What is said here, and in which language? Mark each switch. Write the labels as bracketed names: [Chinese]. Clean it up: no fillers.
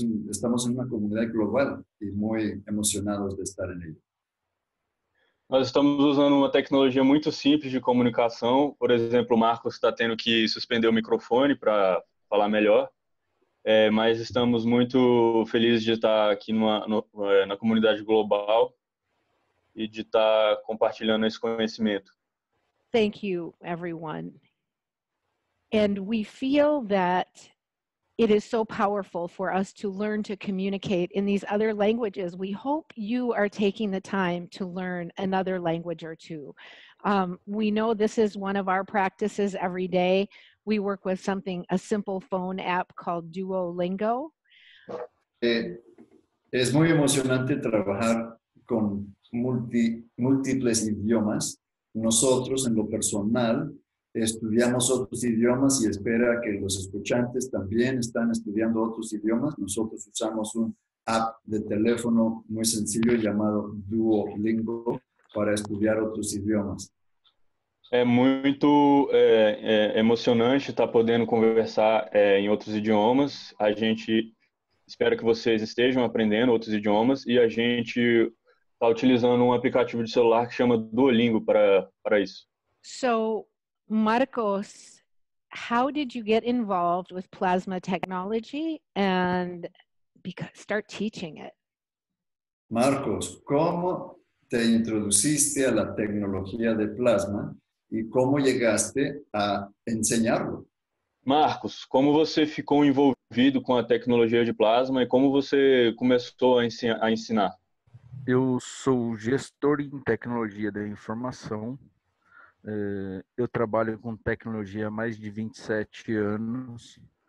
[Spanish] Estamos en una comunidad global y muy emocionados de estar en ella. [Portuguese] Nós estamos usando uma tecnologia muito simples de comunicação. Por exemplo, o Marcos está tendo que suspender o microfone para falar melhor. Mas estamos muito felizes de estar aqui na comunidade global e de estar compartilhando esse conhecimento. [English] Thank you, everyone. And we feel that it is so powerful for us to learn to communicate in these other languages. We hope you are taking the time to learn another language or two. We know this is one of our practices every day. We work with something, a simple phone app called Duolingo. [Spanish] Es muy emocionante trabajar con múltiples idiomas. Nosotros, en lo personal, estudiamos otros idiomas y espera que los escuchantes también están estudiando otros idiomas. Nosotros usamos un app de teléfono muy sencillo llamado Duolingo para estudiar otros idiomas. [Portuguese] É muito emocionante estar podendo conversar em outros idiomas. A gente espera que vocês estejam aprendendo outros idiomas e a gente está utilizando um aplicativo de celular que chama Duolingo para isso. [English] So, Marcos, how did you get involved with plasma technology and start teaching it? [Spanish] Marcos, como te introduciste a la tecnología de plasma? [Portuguese] E como chegaste a ensiná-lo? Marcos, como você ficou envolvido com a tecnologia de plasma e como você começou a ensinar? Eu sou gestor em tecnologia da informação. Eu trabalho com tecnologia há mais de 27 anos.